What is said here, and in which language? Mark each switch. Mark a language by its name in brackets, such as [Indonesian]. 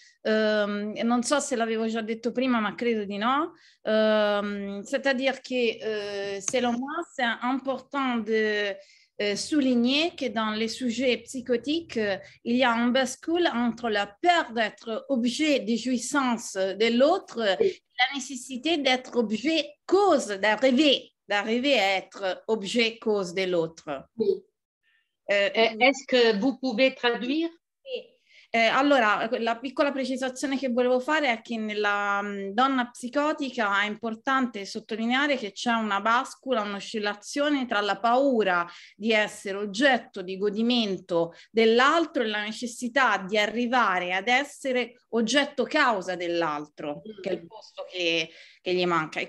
[Italian] Non so se l'avevo già detto prima, ma credo di no. [French] C'est-à-dire che, selon moi, c'est important de... souligner que dans les sujets psychotiques, il y a un bascule entre la peur d'être objet de jouissance de l'autre et la nécessité d'être objet cause, d'arriver à être objet cause de l'autre. Est-ce que vous pouvez traduire? [Italian] Allora, la piccola precisazione che volevo fare è che nella donna psicotica è importante sottolineare che c'è una bascula, un'oscillazione tra la paura di essere oggetto di godimento dell'altro e la necessità di arrivare ad essere oggetto causa dell'altro, che è il posto che gli manca.